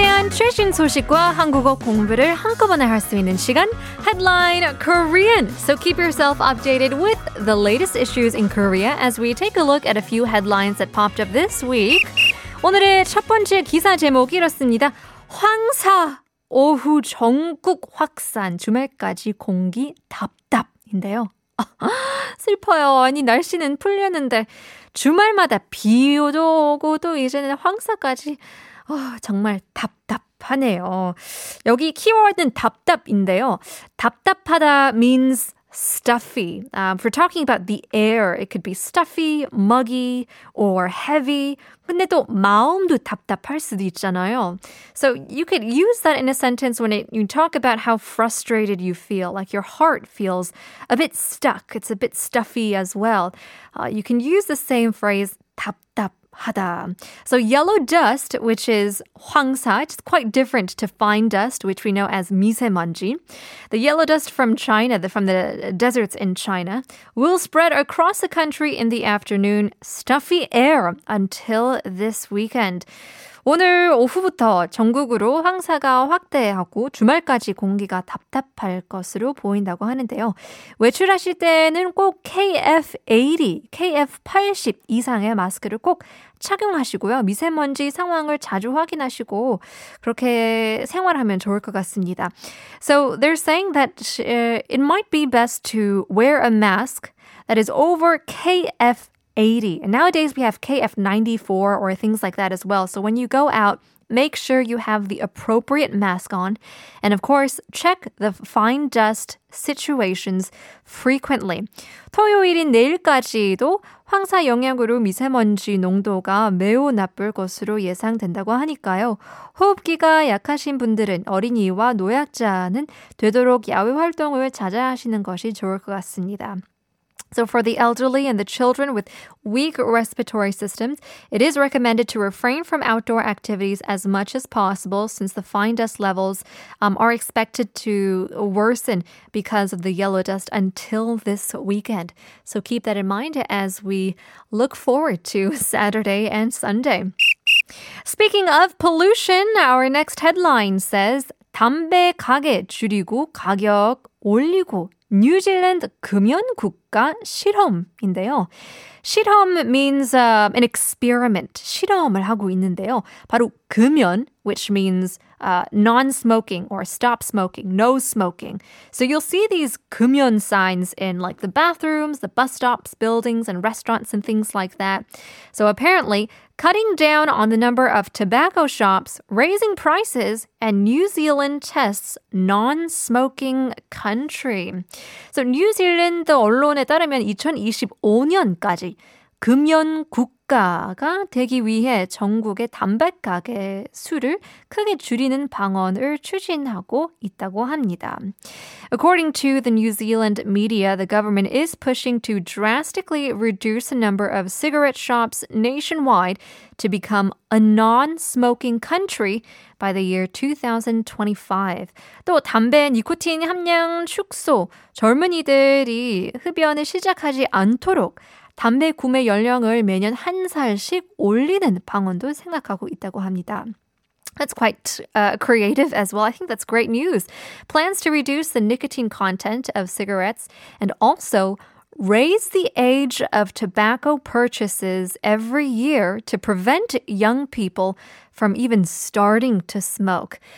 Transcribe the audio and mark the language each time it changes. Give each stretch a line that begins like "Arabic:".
Korean: 최신 소식과 한국어 공부를 한꺼번에 할 수 있는 시간 Headline Korean.
English: So keep yourself updated with the latest issues in Korea as we take a look at a few headlines that popped up this week.
Korean: 오늘의 첫 번째 기사 제목 이렇습니다. 황사 오후 전국 확산 주말까지 공기 답답인데요. 슬퍼요. 아니 날씨는 풀렸는데 주말마다 비도 오고 또 이제는 황사까지 정말 답답하네요. 여기 키워드는 답답인데요.
English: 답답하다 means stuffy. If we're talking about the air, it could be stuffy, muggy, or heavy.
Korean: 근데 또 마음도 답답할 수도 있잖아요.
English: So you could use that in a sentence when you talk about how frustrated you feel. Like your heart feels a bit stuck. It's a bit stuffy as well. You can use the same phrase 답답. Hada. So yellow dust, which is 황사, it's quite different to fine dust, which we know as 미세먼지. The yellow dust from China, from the deserts in China, will spread across the country in the afternoon, stuffy air, until this weekend.
Korean: 오늘 오후부터 전국으로 황사가 확대하고 주말까지 공기가 답답할 것으로 보인다고 하는데요. 외출하실 때는 꼭 KF80 이상의 마스크를 꼭 착용하시고요. 미세먼지 상황을 자주 확인하시고 그렇게 생활하면 좋을 것 같습니다.
English: So they're saying that it might be best to wear a mask that is over KF80. And nowadays we have KF94 or things like that as well. So when you go out, make sure you have the appropriate mask on. And of course, check the fine dust situations frequently.
Korean: 토요일인 내일까지도 황사 영향으로 미세먼지 농도가 매우 나쁠 것으로 예상된다고 하니까요. 호흡기가 약하신 분들은 어린이와 노약자는 되도록 야외 활동을 자제하시는 것이 좋을 것 같습니다.
English: So for the elderly and the children with weak respiratory systems, it is recommended to refrain from outdoor activities as much as possible since the fine dust levels are expected to worsen because of the yellow dust until this weekend. So keep that in mind as we look forward to Saturday and Sunday. Speaking of pollution, our next headline says
Korean: 담배 가게 줄이고 가격 올리고 뉴질랜드 금연국가 실험인데요. 실험
English: means an experiment.
Korean: 실험을 하고 있는데요.
English: 바로 금연, which means non-smoking or stop smoking, no smoking. So you'll see these 금연 signs in like the bathrooms, the bus stops, buildings and restaurants and things like that. So apparently, cutting down on the number of tobacco shops, raising prices, and New Zealand tests non-smoking country. So
Korean: 뉴질랜드 언론에 따르면 2025년까지 금연 국가가 되기 위해 전국의 담배가게 수를 크게 줄이는 방안을 추진하고 있다고 합니다.
English: According to the New Zealand media, the government is pushing to drastically reduce the number of cigarette shops nationwide to become a non-smoking country by the year 2025.
Korean: 또 담배 니코틴 함량 축소, 젊은이들이 흡연을 시작하지 않도록 담배 구매 연령을 매년 한 살씩 올리는 방안도 생각하고 있다고 합니다.
English: That's quite creative as well. I think that's great news. Plans to reduce the nicotine content of cigarettes and also raise the age of tobacco purchases every year to prevent young people from even starting to smoke.